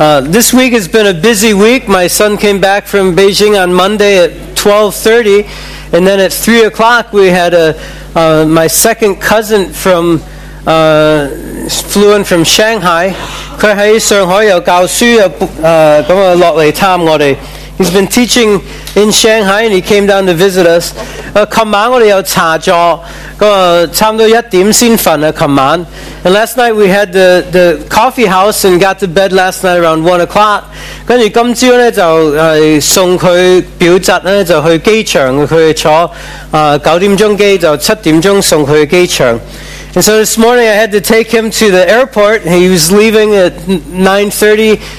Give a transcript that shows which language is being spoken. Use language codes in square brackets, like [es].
[en] This week has been a busy week. My son came back from Beijing on Monday at 12:30, and then at 3 o'clock we had a my second cousin from flew in from Shanghai. [yue] 佢喺上海又教书又咁啊落嚟探我哋。 [en] He's been teaching in Shanghai and he came down to visit us. [yue] 琴晚我哋又查咗，差唔多一点先瞓啊。琴晚 [en] ，and last night we had the coffee house and got to bed last night around 1 o'clock. [yue] 跟住今朝咧就送佢表侄咧就去机场，佢坐九点钟机就七点钟送佢机场。 [en] And so this morning I had to take him to the airport. He was leaving at 9:30.